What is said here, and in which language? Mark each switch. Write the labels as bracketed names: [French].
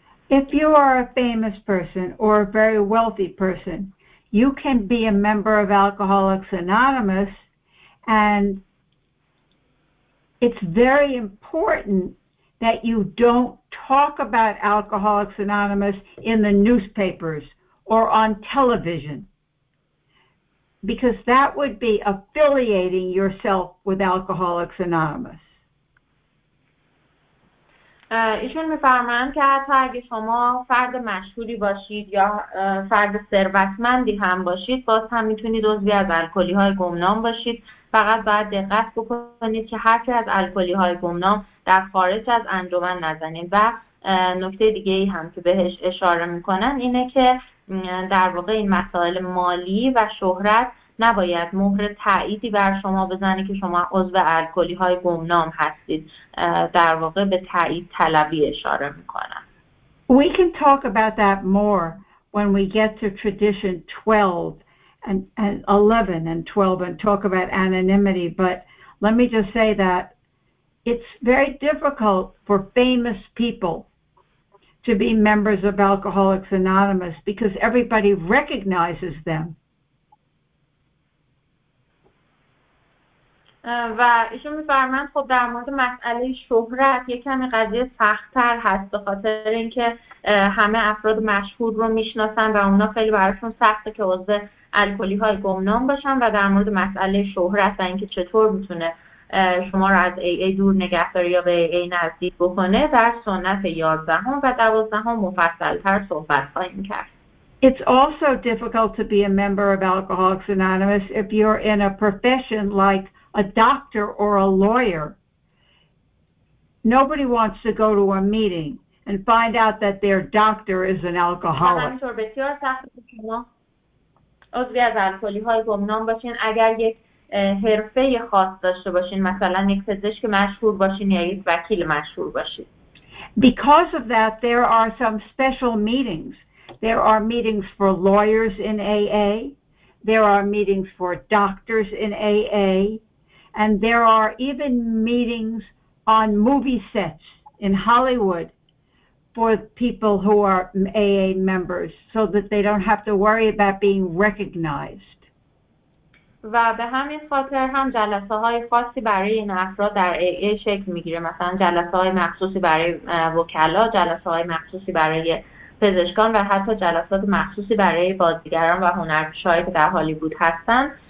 [English] If you are a famous person or a very wealthy person, you can be a member of Alcoholics Anonymous, and it's very important that you don't talk about Alcoholics Anonymous in the newspapers or on television, because that would be affiliating yourself with Alcoholics Anonymous. [Persian] ایشون می‌فرمایند که حتی اگه شما فرد مشهوری باشید یا فرد ثروتمندی هم باشید، باز هم میتونید عضوی از الکلی‌های گمنام باشید. فقط باید دقت بکنید که هرکی از الکلی‌های گمنام در خارج از انجمن نزنید. و نکته دیگه ای هم که بهش اشاره میکنن اینه که در واقع این مسائل مالی و شهرت نباید مهر تاییدی بر شما بزنه که شما عضو الکلی های گمنام هستید. در واقع به تایید طلبی اشاره میکنن. [English] We can talk about that more when we get to tradition 12 and 11 and talk about anonymity, but let me just say that it's very difficult for famous people to be members of Alcoholics Anonymous because everybody recognizes them. [Persian] و ایشون می‌فرمایند خب در مورد مسئله شهرت یک کمی قضیه سخت‌تر هست به خاطر اینکه همه افراد مشهور رو می‌شناسن و اونا خیلی براشون سخته که عضو الکلی‌های گمنام باشن. و در مورد مسئله شهرت و اینکه چطور می‌تونه شما را از AA دور نگهداری یا به AA نزدیک بکنه در سنت 11 و 12 مفصل‌تر صحبت خواهیم کرد. [English] It's also difficult to be a member of Alcoholics Anonymous if you're in a profession like a doctor or a lawyer. Nobody wants to go to a meeting and find out that their doctor is an alcoholic. [Persian] همینطور بسیار سخت شما عضوی از الکلی‌های گمنام باشین اگر یک حرفه خاص داشته باشین مثلا یک پزشک مشهور باشین یا یک وکیل مشهور باشین. [English] Because of that there are some special meetings. There are meetings for lawyers in AA. There are meetings for doctors in AA. And there are even meetings on movie sets in Hollywood for people who are AA members so that they don't have to worry about being recognized. [Persian] و به همین خاطر هم جلسه های خاصی برای این افراد در AA شکل میگیره. مثلا جلسه های مخصوصی برای وکلا، جلسه های مخصوصی برای پزشکان و حتی جلسات مخصوصی برای بازیگران و هنرمندان که در هالیوود هستن.